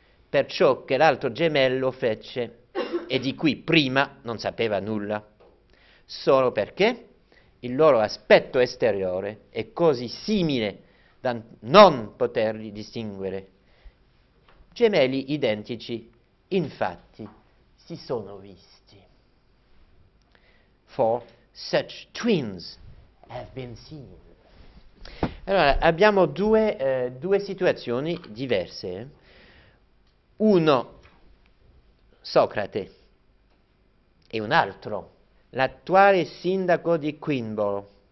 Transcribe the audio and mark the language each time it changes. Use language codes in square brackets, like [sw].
[it] per ciò che l'altro gemello fece e di cui prima non sapeva nulla, solo perché il loro aspetto esteriore è così simile da non poterli distinguere. Gemelli identici, infatti, si sono visti. [en] For such twins have been seen. [it] Allora, abbiamo due situazioni diverse. Uno, Socrate, e un altro, l'attuale sindaco di Queenborough.